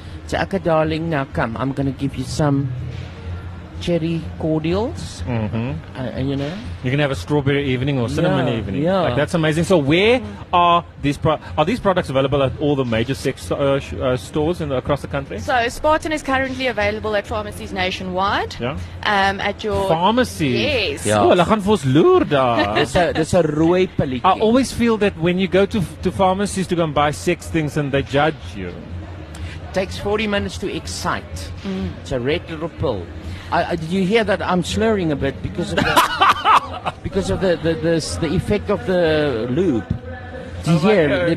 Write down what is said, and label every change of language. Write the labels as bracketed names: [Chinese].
[English] So, okay, darling, now come. I'm going to give you some cherry cordials. Mm-hmm. And you know? You're going to have a strawberry evening or cinnamon evening. Yeah. Like, that's amazing. So, where are these products available at all the major sex stores across the country? So, Spartan is currently available at pharmacies nationwide. Yeah. At your... Pharmacies? Yes. [Afrikaans] Yeah. Oh, hulle gaan vir ons loer daar. Dis 'n rooi pilletjie. [English] I always feel that when you go to pharmacies to go and buy sex things and they judge you. takes 40 minutes to excite. Mm. It's a red little pill. Did you hear that I'm slurring a bit because of the because of the effect of the lube? Do you hear?